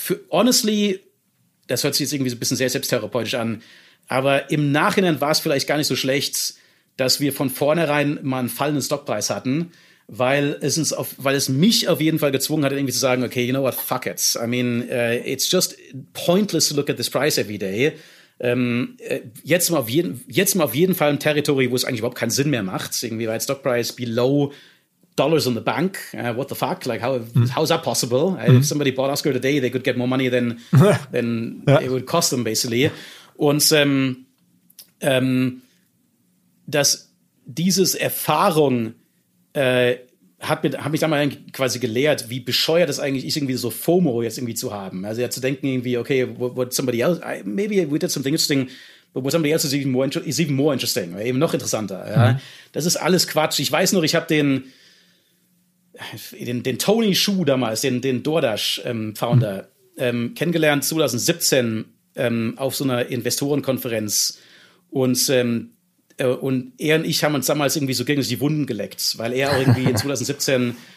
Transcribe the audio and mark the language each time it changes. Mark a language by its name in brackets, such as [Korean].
[German] Honestly, das hört sich jetzt irgendwie so ein bisschen sehr selbsttherapeutisch an, aber im Nachhinein war es vielleicht gar nicht so schlecht, dass wir von vornherein mal einen fallenden Stockpreis hatten, weil es mich auf jeden Fall gezwungen hat, irgendwie zu sagen, [English] okay, you know what, fuck it. I mean, it's just pointless to look at this price every day. [German] Jetzt mal auf jeden Fall ein Territory, wo es eigentlich überhaupt keinen Sinn mehr macht, irgendwie, weil Stockpreis [English] below Dollars in the bank, what the fuck? Like, how is that possible? If somebody bought Oscar today, they could get more money than it would cost them, basically. [German] Und dass dieses Erfahrung hat mich damals quasi gelehrt, wie bescheuert es eigentlich ist, irgendwie so FOMO jetzt irgendwie zu haben. Also ja, zu denken irgendwie, [English] okay, what somebody else, maybe we did something interesting, but what somebody else is even more interesting, [German] eben noch interessanter. Mhm. Ja. Das ist alles Quatsch. Ich weiß nur, ich habe den Tony Hsu damals, den DoorDash Founder, kennengelernt 2017 auf so einer Investorenkonferenz und er und ich haben uns damals irgendwie so gegenseitig die Wunden geleckt, weil er auch irgendwie in 2017